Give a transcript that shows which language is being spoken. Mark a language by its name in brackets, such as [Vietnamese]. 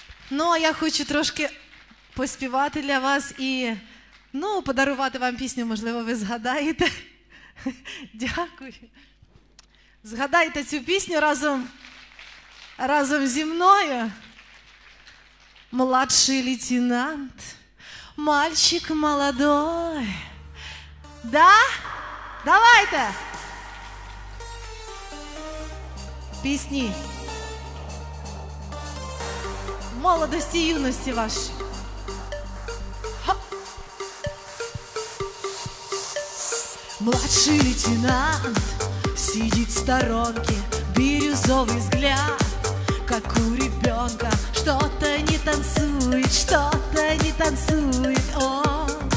[Ukrainian] Ну, а я хочу трошки поспівати для вас і, ну, подарувати вам пісню, можливо, ви згадаєте. Дякую. Згадайте цю пісню разом зі мною. [Russian] Молодший лейтенант, мальчик молодой. Да? Давайте. [Ukrainian] Пісні. Молодості і юності ваші. [Russian] Младший лейтенант сидить в сторонке, бирюзовий взгляд, как у ребенка. Что-то не танцует, что-то не танцует он.